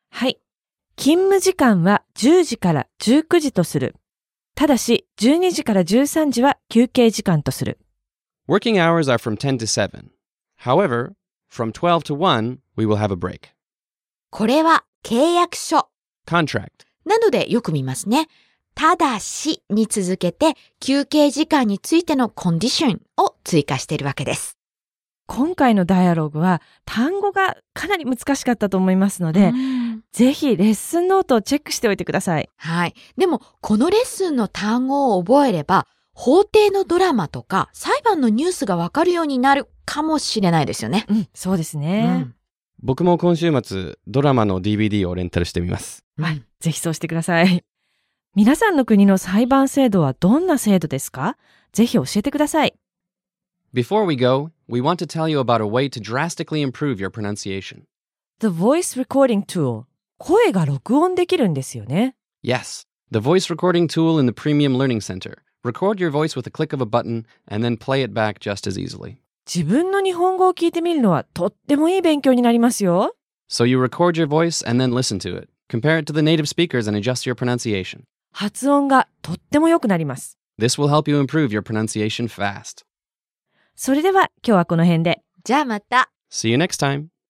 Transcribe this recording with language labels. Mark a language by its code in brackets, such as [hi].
[ja] はい。勤務時間は10時から19時とする。ただし、12時から13時は休憩時間とする。 [en] Working hours are from 10 to 7. However, from 12 to 1, we will have a break. [ja] これは契約書。 [en] Contract. [ja] なのでよく見ますね。ただしに続けて、休憩時間についてのコンディションを追加しているわけです。今回のダイアログは単語がかなり難しかったと思いますので、ぜひレッスンノートをチェックしておいてください。はい。でも、このレッスンの単語を覚えれば、法廷のドラマとか裁判のニュースがわかるようになるかもしれないですよね。うん、そうですね、うん。僕も今週末、ドラマの DVD をレンタルしてみます。はい。ぜひそうしてください。皆さんの国の裁判制度はどんな制度ですか？ぜひ教えてください。 [en] Before we go, we want to tell you about a way to drastically improve your pronunciation. The voice recording tool. [ja] 声が録音できるんですよね。 [en] Yes, the voice recording tool in the Premium Learning Center. Record your voice with a click of a button and then play it back just as easily. [ja] 自分の日本語を聞いてみるのはとってもいい勉強になりますよ。 [en] So you record your voice and then listen to it. Compare it to the native speakers and adjust your pronunciation. [ja] 発音がとっても良くなります。 [en] This will help you improve your pronunciation fast. [ja] それでは今日はこの辺で。じゃあまた。 [en] See you next time.